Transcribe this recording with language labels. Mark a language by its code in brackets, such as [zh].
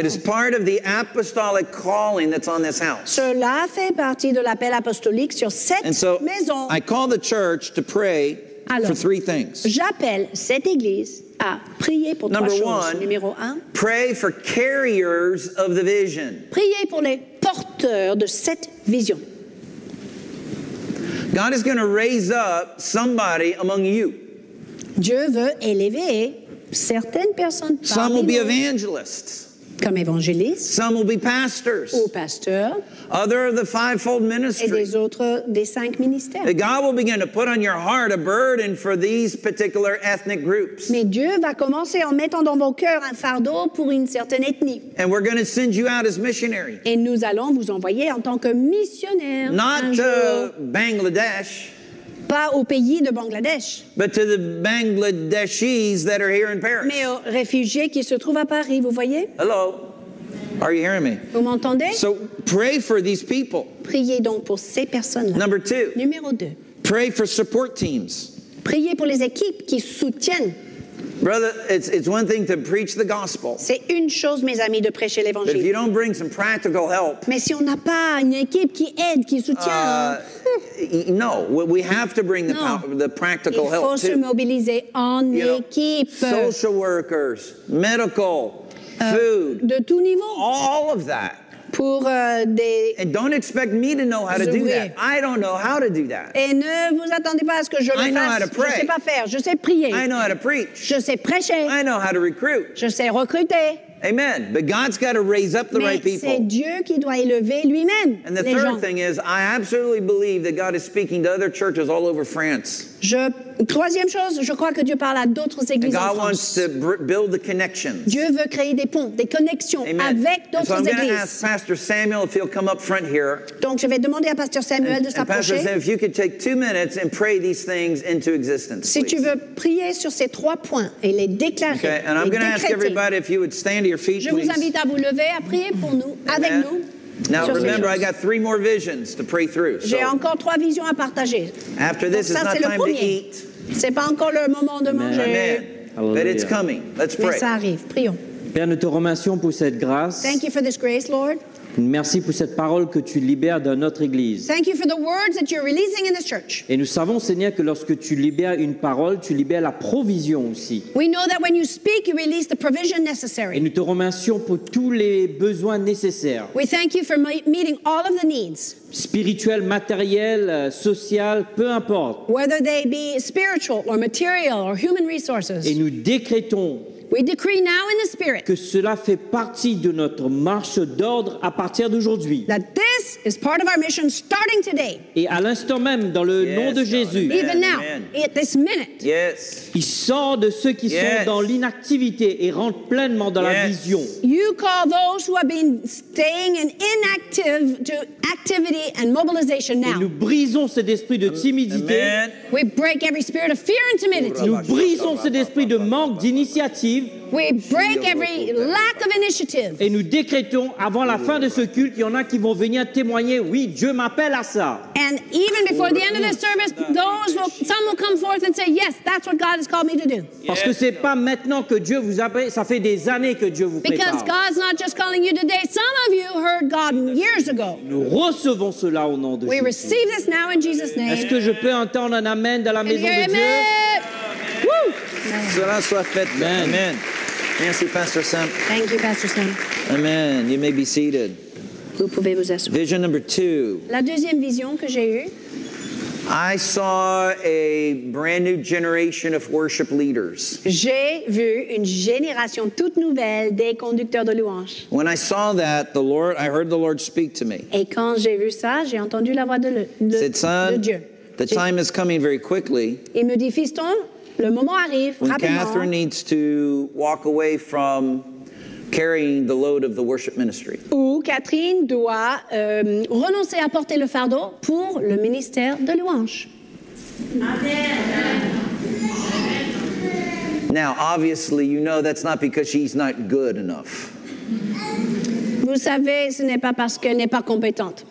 [en] It is part of the apostolic calling that's on this house. [fr] Cela fait partie de l'appel apostolique sur cette [en] and so [fr] maison. [en] I call the church to pray [fr] alors, [en] for three things. [fr] J'appelle cette église à prier pour [en] number [fr] trois choses. [en] One, [fr] numéro un, [en] pray for carriers of the vision. [fr] Priez pour les porteurs de cette vision. [en] God is going to raise up somebody among you. [fr] Dieu veut élever certaines personnes parmi [en] some will be evangelists. [fr] comme évangélistes. [en] Some will be pastors. [fr] Ou pasteurs. [en] Other the fivefold ministry. [fr] Et des autres des cinq ministères. [en] That God will begin to put on your heart a burden for these particular ethnic groups. [fr] Mais Dieu va commencer en mettant dans vos cœurs un fardeau pour une certaine ethnie. [en] And we're going to send you out as missionaries. [fr] Et nous allons vous envoyer en tant que missionnaires. [en] Not to Bangladesh. [fr] Pas au pays de Bangladesh. [en] But to the Bangladeshis that are here in Paris. [fr] Mais aux réfugiés qui se trouvent à Paris, vous voyez? [en] Hello. Are you hearing me? [fr] Vous m'entendez? [en] So pray for these people. [fr] Priez donc pour ces personnes-là. [en] Number two. [fr] Numéro deux. [en] Pray for support teams. [fr] Priez pour les équipes qui soutiennent. [en] Brother, it's one thing to preach the gospel. [fr] C'est une chose, mes amis, de prêcher l'évangile. [en] But if you don't bring some practical help. [fr] Mais si on n'a pas une équipe qui aide, qui soutient. [en] No, we have to bring the practical help. [fr] Il faut [en] help [fr] se mobiliser en équipe. [en] Know, social workers, medical, food. [fr] De tout niveau. [en] All of that. [fr] Pour des. [en] And don't expect me to know how to do that. I don't know how to do that. [fr] Et ne vous attendez pas à ce que je le fasse. [en] I know how to pray. [fr] Je sais pas faire. Je sais prier. [en] I know how to preach. [fr] Je sais prêcher. [en] I know how to recruit. [fr] Je sais recruter. [en] Amen. But God's got to raise up the [fr] Mais [en] right people. [fr] C'est Dieu qui doit élever lui-même. [en] And the third thing is, I absolutely believe that God is speaking to other churches all over France. [fr] Troisième chose, je crois que Dieu parle à d'autres églises [en] God [fr] en France. [en] Wants to build the connections. [fr] Dieu veut créer des ponts, des connexions [en] Amen. [fr] Avec d'autres [en] so I'm [fr] églises. [en] Ask Pastor Samuel if he'll come up front here. [fr] Donc je vais demander à Pasteur Samuel de s'approcher. [en] Pastor Samuel, if you could take 2 minutes and pray these things into existence, [fr] please. Si tu veux prier sur ces trois points et les déclarer, [en] okay, and I'm going to ask everybody if you would stand to your feet, [fr] je [en] please. [fr] Je vous invite à vous lever à prier pour nous, [en] Amen. [fr] Avec nous. [en] Now remember, I got three more visions to pray through. [fr] J'ai encore trois visions à partager. [en] After this, it's not time to eat. [fr] C'est pas encore le moment de manger. [en] Amen. Amen. But it's coming. Let's pray. [fr] Mais ça arrive. Prions. Père, nous te remercions pour cette grâce. [en] Thank you for this grace, Lord. [fr] Merci pour cette parole que tu libères dans notre église. [en] Thank you for the words that you're releasing in this church. [fr] Et nous savons, Seigneur, que lorsque tu libères une parole, tu libères la provision aussi. [en] We know that when you speak, you release the provision necessary. [fr] Et nous te remercions pour tous les besoins nécessaires. [en] We thank you for meeting all of the needs. [fr] Spirituel, matériel, social, peu importe. [en] Whether they be spiritual or material or human resources. [fr] Et nous décrétons. [en] We decree now in the spirit [fr] que cela fait partie de notre marche d'ordre à partir d'aujourd'hui. [en] That this is part of our mission starting today. [fr] Et à l'instant même, dans le [en] yes, [fr] nom de Jésus, [en] Amen. Even now, Amen. At this minute, yes. [fr] Il sort de ceux qui [en] yes. [fr] sont dans l'inactivité et rentre pleinement dans [en] yes. [fr] la vision. [en] You call those who have been staying in inactive to activity and mobilization now. [fr] Et nous brisons cet esprit de timidité. [en] Amen. We break every spirit of fear and timidity. [fr] Nous brisons cet esprit de manque d'initiative. [en] We break every lack of initiative. [fr] Et nous décrétons avant la fin de ce culte, il y en a qui vont venir témoigner. Oui, Dieu m'appelle à ça. [en] And even before the end of the service, some will come forth and say, yes, that's what God has called me to do. [fr] Parce que c'est pas maintenant que Dieu vous appelle, ça fait des années que Dieu vous prépare. [en] Because God's not just calling you today. Some of you heard God years ago. [fr] Nous recevons cela au nom de Jésus. [en] We receive this now in Jesus' name. [fr] Est-ce que je peux entendre un amen dans la maison de Dieu? Cela soit fait. Amen. Amen. Merci, Pastor Sam. [en] Thank you, Pastor Sam. Amen. You may be seated. [fr] Vous pouvez vous asseoir. [en] Vision number two. [fr] La deuxième vision que j'ai eue. [en] I saw a brand new generation of worship leaders. [fr] J'ai vu une génération toute nouvelle des conducteurs de louanges. [en] When I saw that, the Lord, I heard the Lord speak to me. [fr] Et quand j'ai vu ça, j'ai entendu la voix de Dieu. [en] The time is coming very quickly. [fr] Il me dit, fiston, le moment arrive [en] when [fr] rapidement. [en] Kathryn needs to walk away from carrying the load of the worship ministry. [fr] Ou Catherine doit renoncer à porter le fardeau pour le ministère de louange. [en] Amen. Now, obviously, you know that's not because she's not good enough. [fr] Vous savez, ce n'est pas parce qu'elle n'est pas compétente.